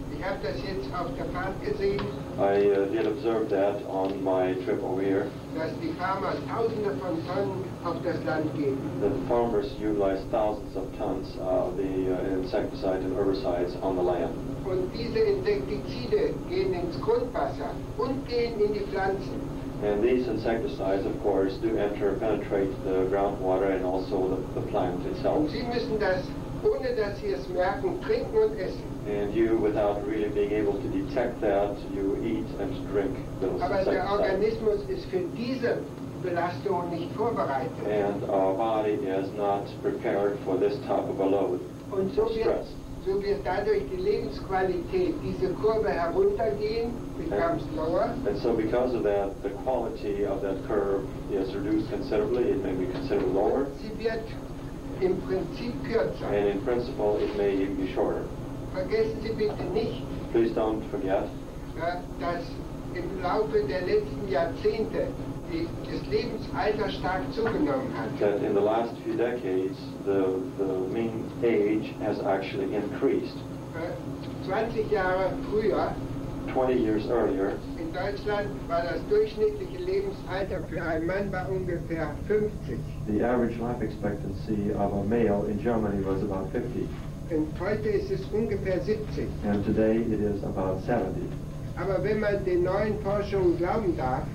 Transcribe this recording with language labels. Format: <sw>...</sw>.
<de>Ich habe das jetzt auf der Fahrt gesehen.</de> <en>I did observe that on my trip over here.</en> <de>Dass die Farmer tausende von Tonnen auf das Land geben.</de> <en>That the farmers utilize thousands of tons of the insecticides and herbicides on the land.</en> <de>Und diese Insektizide gehen ins Grundwasser und gehen in die Pflanzen.</de> <en>And these insecticides, of course, do enter and penetrate the groundwater and also the plant itself.</en> <de>Sie müssen das, ohne dass Sie es merken, trinken und essen.</de> <en>And you, without really being able to detect that, you eat and drink those</en> <de>Aber</de> <en>insecticides.</en> <de>Aber der Organismus ist für diese Belastung nicht vorbereitet.</de> <en>And our body is not prepared for this type of a load</en> <de>und so</de> <en>of stress.</en> <de>So wird dadurch die Lebensqualität diese Kurve heruntergehen,</de> <en>becomes lower. And so because of that, the quality of that curve is reduced considerably, it may be considered lower.</en> <de>Sie wird im Prinzip kürzer.</de> <en>And in principle, it may be shorter.</en> <de>Vergessen Sie bitte nicht,</de> <en>please don't forget,</en> <de>dass im Laufe der letzten Jahrzehnte das Lebensalter stark zugenommen hat.</de> <en>That in the last few decades, the mean age has actually increased.</en> <de>20 Jahre früher,</de> <en>20 years earlier,</en> <de>in Deutschland war das durchschnittliche Lebensalter für einen Mann bei ungefähr 50.</de> <en>The average life expectancy of a male in Germany was about 50.</en> <de>Und heute ist es ungefähr 70.</de> <en>And today it is about 70.</en> <de>Aber wenn man den neuen Forschungen glauben darf,</de>